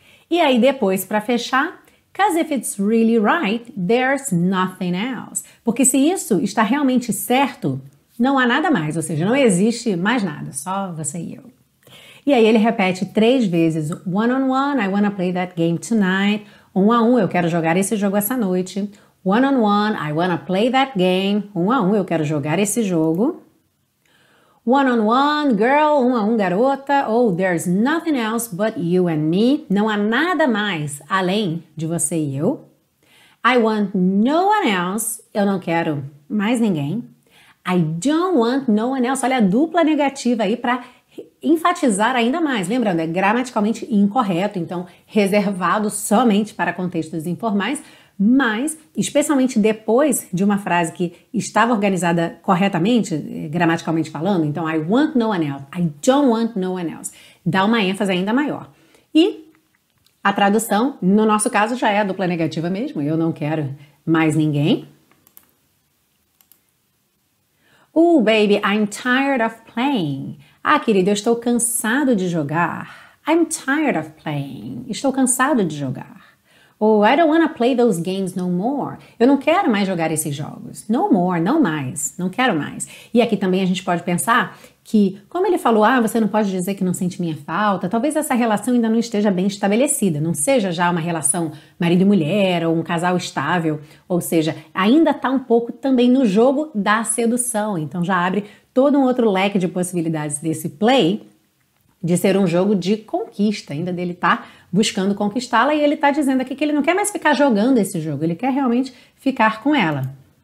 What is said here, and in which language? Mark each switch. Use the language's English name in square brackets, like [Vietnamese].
[Portuguese] E aí depois, para fechar, [English] because if it's really right, there's nothing else. [Portuguese] Porque se isso está realmente certo, não há nada mais. Ou seja, não existe mais nada. Só você e eu. E aí ele repete três vezes. [English] One on one, I wanna play that game tonight. [Portuguese] Um a um, eu quero jogar esse jogo essa noite. [English] One on one, I wanna play that game. [Portuguese] Um a um, eu quero jogar esse jogo. [English] One on one, girl, [Portuguese] um a um, garota, ou [English] there's nothing else but you and me, [Portuguese] não há nada mais além de você e eu. [English] I want no one else. [Portuguese] Eu não quero mais ninguém. [English] I don't want no one else. [Portuguese] Olha a dupla negativa aí para enfatizar ainda mais. Lembrando, é gramaticalmente incorreto, então reservado somente para contextos informais, mas especialmente depois de uma frase que estava organizada corretamente, gramaticalmente falando, então [English] I want no one else, [Portuguese] I don't want no one else, dá uma ênfase ainda maior. E a tradução, no nosso caso, já é a dupla negativa mesmo, eu não quero mais ninguém. [English] Oh, baby, I'm tired of playing. [Portuguese] Ah, querido, eu estou cansado de jogar. [English] I'm tired of playing. [Portuguese] Estou cansado de jogar. [English] Oh, I don't want to play those games no more. [Portuguese] Eu não quero mais jogar esses jogos. [English] No more, [Portuguese] não mais. Não quero mais. E aqui também a gente pode pensar que, como ele falou, ah, você não pode dizer que não sente minha falta, talvez essa relação ainda não esteja bem estabelecida, não seja já uma relação marido e mulher ou um casal estável, ou seja, ainda está um pouco também no jogo da sedução, então já abre todo um outro leque de possibilidades desse play de ser um jogo de conquista, ainda dele estar buscando conquistá-la, e ele está dizendo aqui que ele não quer mais ficar jogando esse jogo, ele quer realmente ficar com ela.